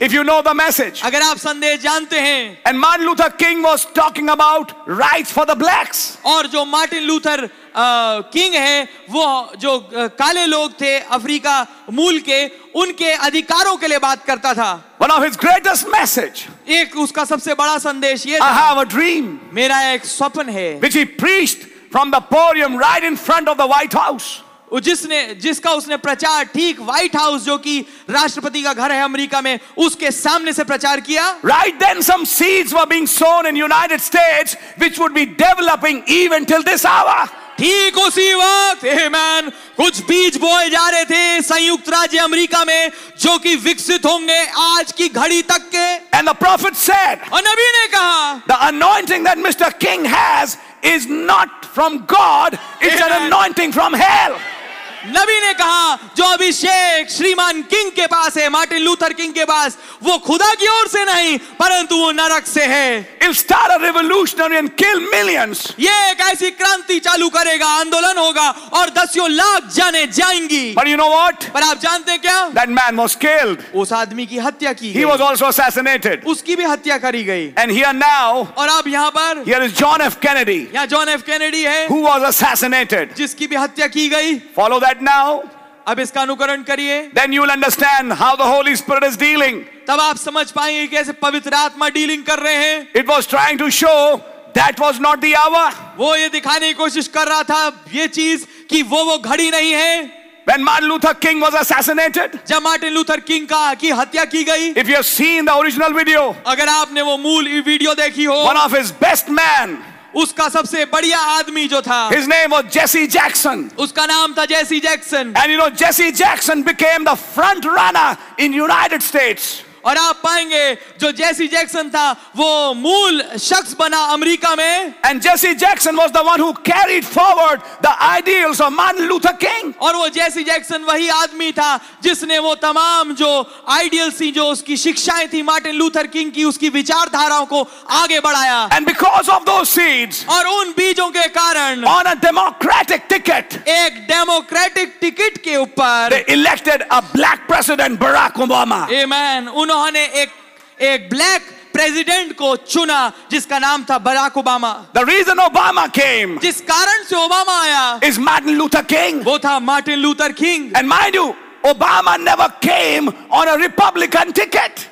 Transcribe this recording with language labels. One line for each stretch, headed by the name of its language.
English: If you know the message.
Hindi: अगर आप संदेश जानते हैं.
English: And Martin Luther King was talking about rights for the blacks.
Hindi: और जो मार्टिन लूथर किंग है वो जो काले लोग थे अफ्रीका मूल के उनके अधिकारों के लिए बात करता था.
English: One of his greatest message.
Hindi: एक उसका सबसे बड़ा संदेश ये था.
English: I have a dream.
Hindi: मेरा एक स्वप्न है.
English: Which he preached from the podium right in front of the White House.
Hindi: जिसने जिसका उसने प्रचार ठीक व्हाइट हाउस जो कि राष्ट्रपति का घर है अमेरिका में उसके सामने से प्रचार किया.
English: Right then some seeds were being sown in United States which would be developing even till this hour.
Hindi: ठीक उसी वक्त amen कुछ बीज बोए जा रहे थे संयुक्त राज्य अमेरिका में जो कि विकसित होंगे आज की घड़ी तक के.
English: And the prophet said.
Hindi: और नबी ने कहा.
English: The anointing that Mr. King has is not from God, it's an anointing from hell.
Hindi: नबी ने कहा जो अभिषेक श्रीमान किंग के पास है मार्टिन लूथर किंग के पास वो खुदा की ओर से नहीं परंतु वो नरक से है.
English: It'll start a revolutionary and kill millions.
Hindi: ये एक ऐसी क्रांति चालू करेगा आंदोलन होगा और दसियों लाख जाने जाएंगी.
English: But you know what?
Hindi: पर आप जानते क्या?
English: That man was killed.
Hindi: उस आदमी की हत्या की.
English: He was also assassinated.
Hindi: उसकी भी हत्या करी गई.
English: And here now.
Hindi: और अब यहाँ पर.
English: Here is John F. Kennedy.
Hindi: यहाँ जॉन एफ कैनेडी है.
English: Who was assassinated.
Hindi: जिसकी भी हत्या की गई.
English: Follow that now.
Hindi: अब इसका अनुकरण करिए.
English: Then you will understand how the Holy Spirit is dealing.
Hindi: तब आप समझ पाएंगे कैसे पवित्र आत्मा डीलिंग कर रहे हैं.
English: It was trying to show that was not the hour.
Hindi: वो ये दिखाने की कोशिश कर रहा था ये चीज कि वो घड़ी नहीं है.
English: When Martin Luther King was assassinated.
Hindi: जब मार्टिन लूथर किंग की हत्या की गई.
English: If you have seen the original video.
Hindi: अगर आपने वो मूल वीडियो देखी हो.
English: One of his best men.
Hindi: उसका सबसे बढ़िया आदमी जो था.
English: His name was Jesse Jackson.
Hindi: उसका नाम था जेसी Jackson.
English: And you know Jesse Jackson became the front runner in United States.
Hindi: और आप पाएंगे जो जेसी जैक्सन था वो मूल शख्स बना अमेरिका में.
English: And Jesse Jackson was the one who carried forward the ideals of Martin Luther King.
Hindi: और वो जेसी जैक्सन वही आदमी था जिसने वो तमाम जो आइडियल्स थी जो उसकी शिक्षाएं थी मार्टिन लूथर किंग की उसकी विचारधाराओं को आगे बढ़ाया.
English: And because of those seeds.
Hindi: और उन बीजों के कारण.
English: On a democratic ticket.
Hindi: एक डेमोक्रेटिक टिकट के ऊपर.
English: They elected a black president Barack Obama. Amen.
Hindi: उन्होंने एक एक ब्लैक प्रेसिडेंट को चुना जिसका नाम था Barack Obama.
English: the reason Obama came
Hindi: जिस कारण से ओबामा आया
English: Is Martin Luther King.
Hindi: वो था Martin Luther king.
English: And mind you Obama never came on a Republican ticket.